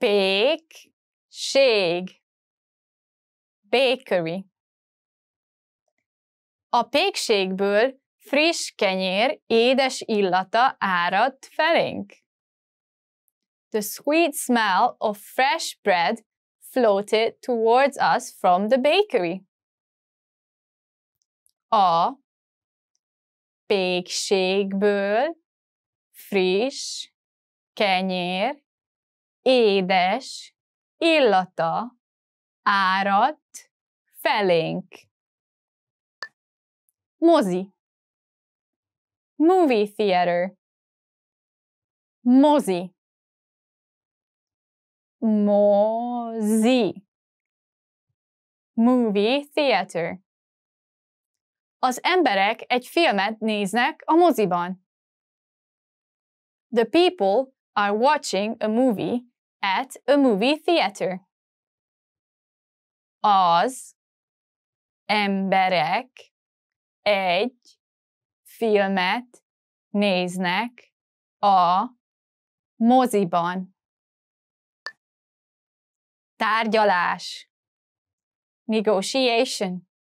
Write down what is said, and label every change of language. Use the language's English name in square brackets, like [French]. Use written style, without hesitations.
[Hungarian] Pékség. [English] Bakery. [Hungarian] A pékségből friss kenyér édes illata árad felénk. [English] The sweet smell of fresh bread floated towards us from the bakery. [Hungarian] A pékségből friss kenyér édes illata áradt felénk. Mozi. [English] Movie theater. [Hungarian] Mozi. Mozi. [English] Movie theater. [Hungarian] Az emberek egy filmet néznek a moziban. [English] The people are watching a movie at a movie theater. [Hungarian] Az emberek egy filmet néznek a moziban. Tárgyalás. [English] Negotiation.